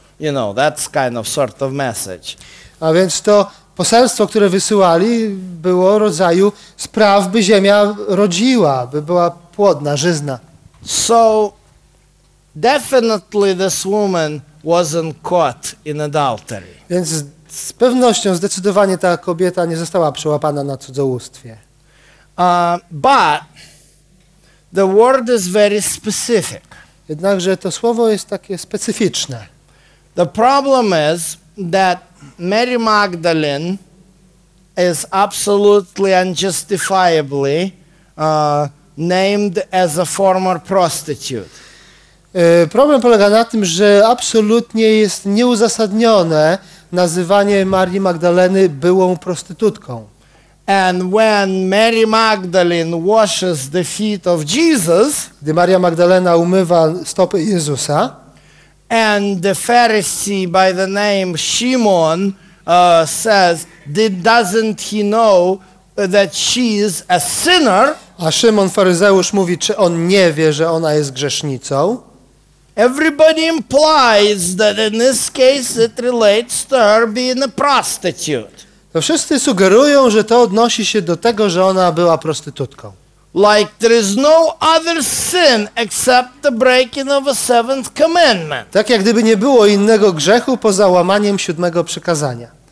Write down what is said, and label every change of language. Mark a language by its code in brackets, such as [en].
[en] You know, that's kind of sort of message. [pl] A więc to poselstwo, które wysyłali, było rodzaju spraw, by ziemia rodziła, by była płodna, żyzna. [en] So definitely this woman wasn't caught in adultery. [pl] Więc z pewnością zdecydowanie ta kobieta nie została przełapana na cudzołóstwie. [en] But the word is very specific. [pl] Jednakże to słowo jest takie specyficzne. [en] The problem is that Mary Magdalene is absolutely unjustifiably named as a former prostitute. [pl] Problem polega na tym, że absolutnie jest nieuzasadnione nazywanie Marii Magdaleny byłą prostytutką. [en] And when Mary Magdalene washes the feet of Jesus, [pl] gdy Maria Magdalena umywa stopy Jezusa, [en] and the Pharisee by the name Shimon says, doesn't he know that she is a sinner? [pl] A Szymon faryzeusz mówi, czy on nie wie, że ona jest grzesznicą? [en] Everybody implies that in this case it relates to her being a prostitute. [pl] To wszyscy sugerują, że to odnosi się do tego, że ona była prostytutką. [en] Like there is no other sin except the breaking of a seventh commandment. [pl] Tak jak gdyby nie było innego grzechu poza łamaniem siódmego przykazania.